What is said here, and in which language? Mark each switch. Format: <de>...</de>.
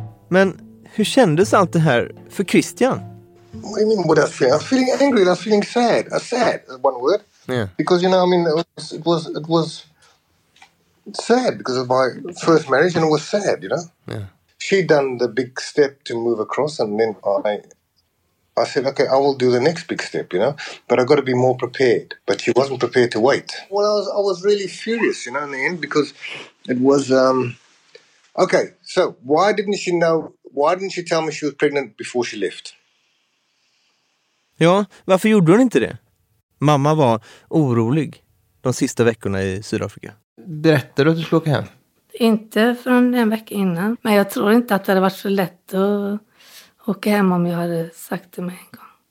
<sv>Men hur kändes allt det här för Christian?</sv> <en>What do you mean, what I'm feeling? I'm feeling angry. I'm feeling sad. Sad, one word. Yeah. Because, you know, I mean, it was sad because of my first marriage, and it was sad, you know? Yeah. She'd done the big step to move across, and then I said, okay, I will do the next big step, you know? But I've got to be more prepared. But she wasn't prepared to wait. Well, I was really furious, you know, in the end, because it was, okay, so why didn't she know, why didn't she tell me she was pregnant before she left?</en> <sv>Ja, varför gjorde hon inte det? Mamma var orolig de sista veckorna i Sydafrika. Berättade du att du skulle åka hem? Inte från en vecka innan. Men jag tror inte att det hade varit så lätt att åka hem om jag hade sagt det med en gång.</sv>